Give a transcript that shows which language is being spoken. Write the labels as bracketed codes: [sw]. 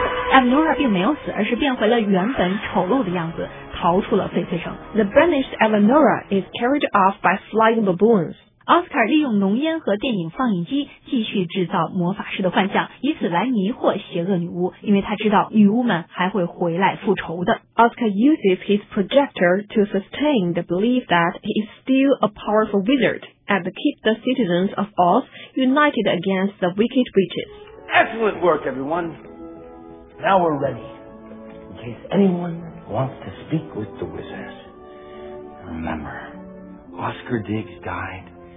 [zh] Evanora 并没有死，而是变回了原本丑陋的样子，逃出了翡翠城。 [en] The banished Evanora is carried off by flying baboons. [zh] 奥斯卡利用浓烟和电影放映机继续制造魔法师的幻象，以此来迷惑邪恶女巫，因为他知道女巫们还会回来复仇的。 [en] 奥斯卡 uses his projector to sustain the belief that he is still a powerful wizard and keep the citizens of Oz united against the wicked witches. Excellent work, everyone. Now we're ready. In case anyone wants to speak with the wizards, remember, Oscar Diggs died.